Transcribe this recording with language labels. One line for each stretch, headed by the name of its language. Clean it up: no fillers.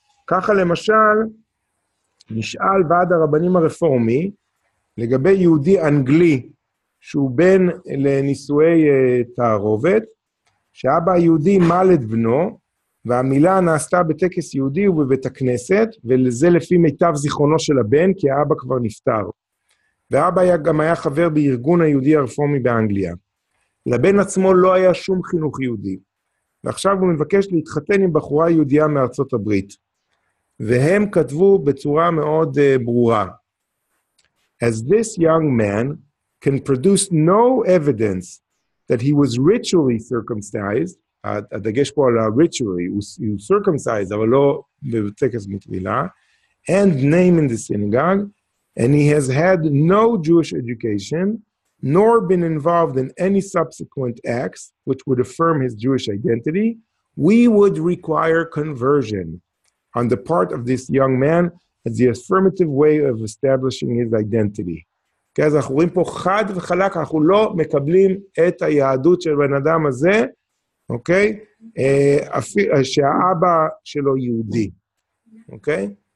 Hebrew: ככה למשל, נשאל ועד הרבנים הרפורמי, לגבי יהודי אנגלי, שהוא בן לנישואי תערובת, שאבא היהודי מל את בנו, והמילה נעשתה בטקס יהודי ובבית הכנסת, ולזה לפי מיטב זיכרונו של הבן, כי האבא כבר נפטר. ואבא היה, גם היה חבר בארגון היהודי הרפורמי באנגליה. לבן עצמו לא היה שום חינוך יהודי. ועכשיו הוא מבקש להתחתן עם בחורה יהודיה מארצות הברית. והם כתבו בצורה מאוד ברורה.
English: As this young man can produce no evidence that he was ritually circumcised,
Hebrew: הדגש פה על
English: ritually,
Hebrew: הוא
English: circumcised,
Hebrew: אבל לא בטקס מטבילה,
English: and name in the synagogue, and he has had no Jewish education, nor been involved in any subsequent acts which would affirm his Jewish identity, we would require conversion on the part of this young man as the affirmative way of establishing his identity.
Hebrew: כן, אז אנחנו רואים פה חד וחלק, אנחנו לא מקבלים את היהדות של בן אדם הזה, אוקיי? שהאבא שלו יהודי, אוקיי?